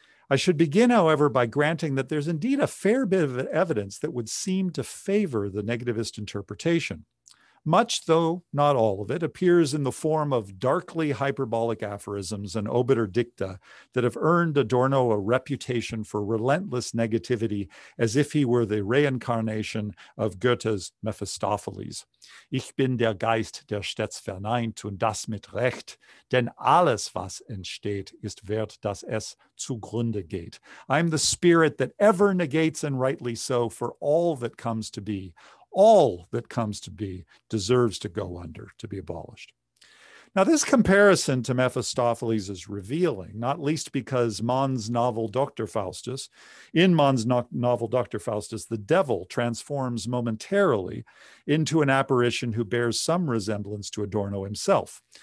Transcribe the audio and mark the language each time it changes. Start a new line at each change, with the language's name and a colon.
English: I should begin, however, by granting that there's indeed a fair bit of evidence that would seem to favor the negativist interpretation. Much, though not all of it, appears in the form of darkly hyperbolic aphorisms and obiter dicta that have earned Adorno a reputation for relentless negativity, as if he were the reincarnation of Goethe's Mephistopheles.
German: Ich bin der Geist, der stets verneint, und das mit Recht, denn alles, was entsteht, ist wert, dass es zugrunde geht.
English: I'm the spirit that ever negates, and rightly so, for all that comes to be. All that comes to be deserves to go under, to be abolished. Now, this comparison to Mephistopheles is revealing, not least because Mann's novel, Dr. Faustus, the devil transforms momentarily into an apparition who bears some resemblance to Adorno himself.